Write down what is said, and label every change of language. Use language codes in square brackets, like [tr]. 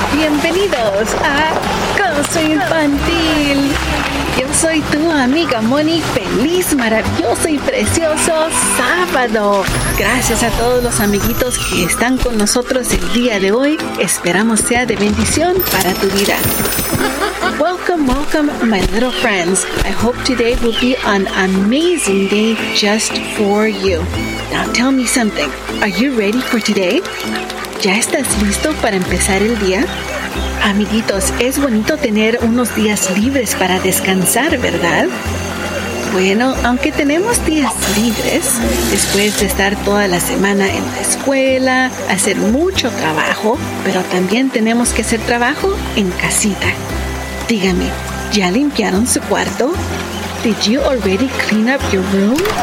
[es] Bienvenidos a Gozo Infantil. Yo soy tu amiga Moni. Feliz, maravilloso y precioso sábado. Gracias a todos los amiguitos que están con nosotros el día de hoy. Esperamos sea de bendición para tu vida. [en] Welcome, welcome, my little friends. I hope today will be an amazing day just for you. Now tell me something. Are you ready for today? [es] ¿Ya estás listo para empezar el día? Amiguitos, es bonito tener unos días libres para descansar, ¿verdad? Bueno, aunque tenemos días libres, después de estar toda la semana en la escuela, hacer mucho trabajo, pero también tenemos que hacer trabajo en casita. Dígame, ¿ya limpiaron su cuarto? [en] Did you already clean up your room?